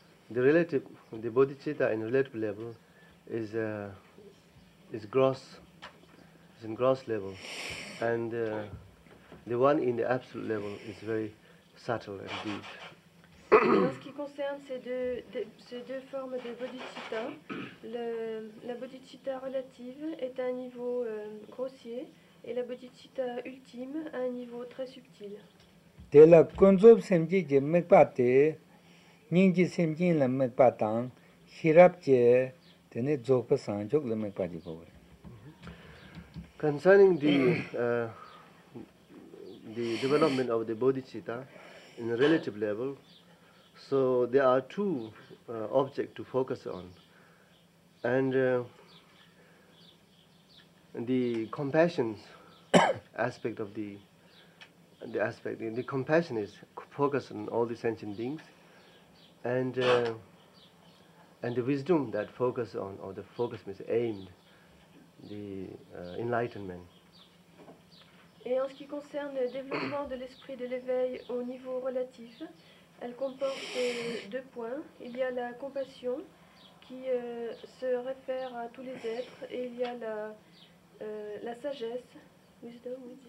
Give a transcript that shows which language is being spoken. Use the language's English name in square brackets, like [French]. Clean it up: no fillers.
[English] The bodhicitta in relative level is in gross level, and the one in the absolute level is very subtle and deep. [French] En ce qui concerne ces deux formes de bodhicitta, la bodhicitta relative est à un niveau grossier et la bodhicitta ultime à un niveau très subtil. [English] Concerning the development of the bodhicitta in a relative level, so there are two objects to focus on, and the compassion aspect of the compassion is focused on all the sentient beings, and the wisdom that focus on, or the focus is aimed, the enlightenment. [French] Et en ce qui concerne le développement de l'esprit de l'éveil au niveau relatif, elle comporte deux points. Il y a la compassion qui se réfère à tous les êtres, et il y a la la sagesse, wisdom,